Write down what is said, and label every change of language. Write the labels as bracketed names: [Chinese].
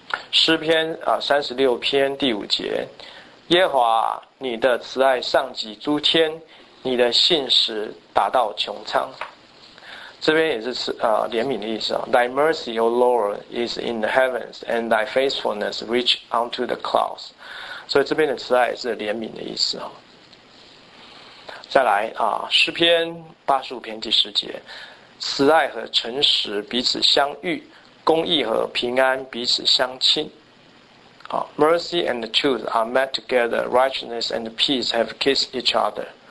[Chinese] 诗篇36篇第5节，耶和华，你的慈爱上及诸天，你的信实达到穹苍。这边也是怜悯的意思。 [English] Thy mercy, O Lord, is in the heavens, and thy faithfulness reach unto the clouds. [Chinese] 所以这边的慈爱是怜悯的意思。再来诗篇85篇第10节，慈爱和诚实彼此相遇，公义和平安彼此相亲。 [English] Mercy and the truth are met together. Righteousness and peace have kissed each other.